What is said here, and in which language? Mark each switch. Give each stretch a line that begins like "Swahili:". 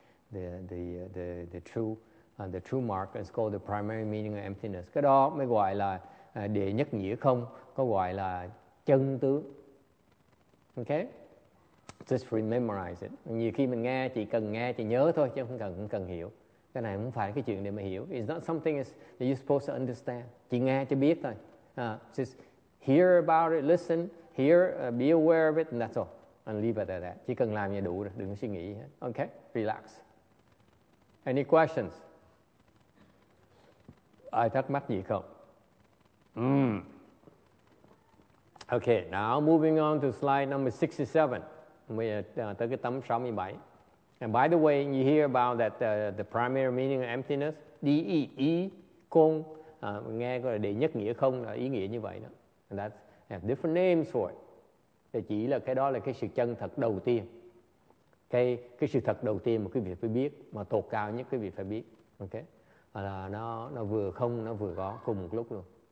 English: The true mark is called the primary meaning of emptiness.
Vietnamese: Cái đó mới gọi là đệ nhất nghĩa không, có gọi là chân tướng.
English: Okay, just rememorize it.
Vietnamese: Nhiều khi mình nghe chỉ cần nghe chỉ nhớ thôi, chứ không cần hiểu. Cái này không phải cái chuyện để mà hiểu.
English: It's not something that you're supposed to understand.
Vietnamese: Chỉ nghe chỉ biết thôi.
English: Just hear about it, listen, hear, be aware of it, and that's all. And leave it at that.
Vietnamese: Chỉ cần làm như đủ rồi, đừng có suy nghĩ.
English: Okay, relax. Any questions?
Vietnamese: Ai thắc mắc gì không?
English: Okay, now moving on to slide number 67.
Vietnamese: Tới cái tấm 67.
English: And by the way, you hear about that the primary meaning of emptiness, D-E-E, kong.
Vietnamese: Nghe gọi là đệ nhất nghĩa không là ý nghĩa như vậy đó.
English: And that's have different names for it.
Vietnamese: Thì chỉ là cái đó là cái sự chân thật đầu tiên. Cái sự thật đầu tiên mà quý vị phải biết, mà tột cao nhất quý vị phải biết. Okay? Là nó vừa không, nó vừa có cùng một lúc luôn.